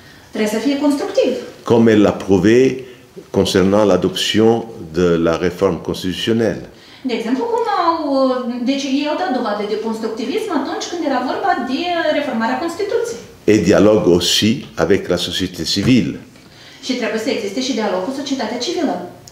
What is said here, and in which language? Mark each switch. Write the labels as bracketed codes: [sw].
[ro] Trebuie să fie constructiv. [fr] Comme elle l'a prouvé concernant l'adoption de la réforme constitutionnelle. [ro] De exemplu, cum au, deci ei au dat dovadă de constructivism atunci când era vorba de reformarea Constituției. [fr] Et dialogue aussi avec la société civile. [ro] Și trebuie să existe și dialog cu societatea civilă.